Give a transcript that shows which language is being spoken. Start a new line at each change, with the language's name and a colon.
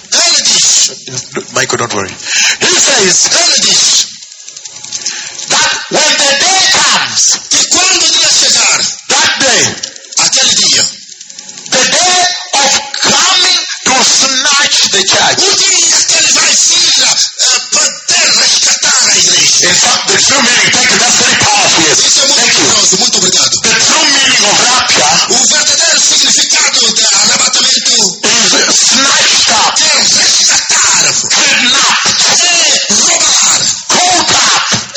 Portuguese: ele diz,
English: Michael, don't worry. He says,
Portuguese: ele diz,
English: that when the day comes,
Portuguese: que quando o dia chegar,
English: that day,
Portuguese: aquele dia,
English: the day of coming to snatch the church,
Portuguese: o dia que ele vai vir poder resgatar a igreja.
English: In fact, the true meaning, thank you, that's very powerful. Yes.
Portuguese: Isso é muito
English: thank
Portuguese: curioso,
English: you.
Portuguese: Muito obrigado.
English: The true meaning of rapture,
Portuguese: o verdadeiro significado de arrebatamento,
English: is snatched up,
Portuguese: é resgatar,
English: kidnapped,
Portuguese: é roubar,
English: caught up,